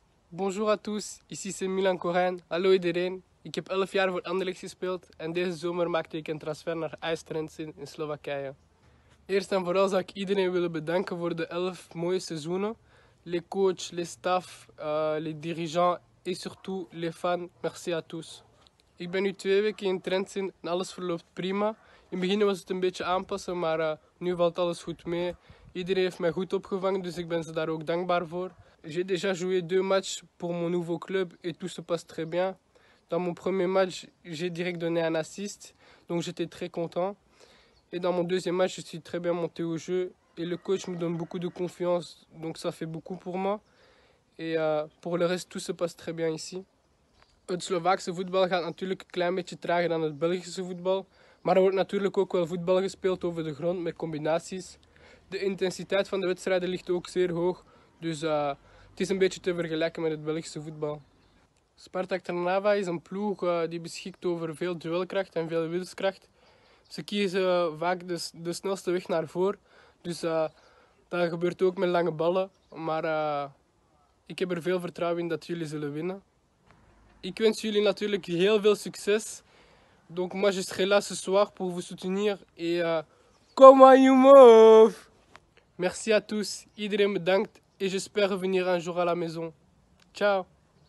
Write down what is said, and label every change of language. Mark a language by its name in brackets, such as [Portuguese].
[French] Bonjour à tous, ici c'est Milan Cohen. [Dutch] Hallo iedereen. Ik heb 11 jaar voor Anderlecht gespeeld en deze zomer maakte ik een transfer naar AS Trenčín in Slowakije. Eerst en vooral zou ik iedereen willen bedanken voor de 11 mooie seizoenen. [French] Les coachs, les staffs, les dirigeants et surtout les fans, merci à tous. [Dutch] Ik ben nu 2 weken in Trenčín en alles verloopt prima. In het begin was het een beetje aanpassen, maar nu valt alles goed mee. Iedereen heeft mij goed opgevangen, dus ik ben ze daar ook dankbaar voor. [French] J'ai déjà joué 2 matchs pour mon nouveau club et tout se passe très bien. Dans mon premier match, j'ai direct donné un assist, donc j'étais très content. Et dans mon deuxième match, je suis très bien monté au jeu et le coach me donne beaucoup de confiance, donc ça fait beaucoup pour moi. Et pour le reste, tout se passe très bien ici. [Dutch] Le Slovaakse voetbal gaat natuurlijk een klein beetje trager dan het Belgische voetbal, maar er wordt natuurlijk ook wel voetbal gespeeld over de grond met combinaties. De intensiteit van de wedstrijden ligt ook zeer hoog. Dus het is een beetje te vergelijken met het Belgische voetbal. Spartak Trnava is een ploeg die beschikt over veel duelkracht en veel wilskracht. Ze kiezen vaak de snelste weg naar voren. Dus dat gebeurt ook met lange ballen. Maar ik heb er veel vertrouwen in dat jullie zullen winnen. Ik wens jullie natuurlijk heel veel succes. [French] Donc moi je serai là ce soir pour vous soutenir. Et [English] come on you move! [French] Merci à tous, [Dutch] iedereen bedankt. [French] Et j'espère revenir un jour à la maison. Ciao!